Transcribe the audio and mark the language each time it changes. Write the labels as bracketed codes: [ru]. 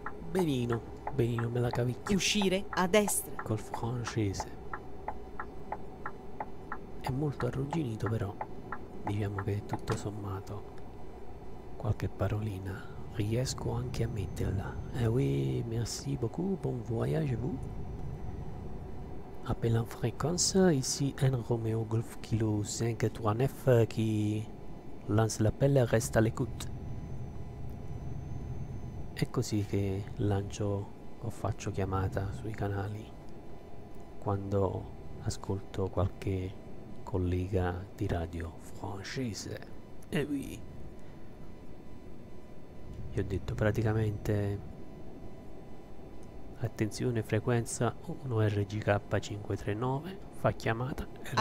[it] Benino, benino, me la cavicchio. Uscire a destra. Col francese. È molto arrugginito, però diciamo che tutto sommato qualche parolina riesco anche a metterla. [fr] Eh oui, merci beaucoup, bon voyage vous. Appelle en fréquence, ici un Romeo Golf Kilo 539 qui lance l'appel et reste à l'écoute. [it] È così che lancio o faccio chiamata sui canali quando ascolto qualche collega di radio francese. [fr] E oui. [it] Gli ho detto praticamente attenzione frequenza 1RGK 539, fa chiamata e resta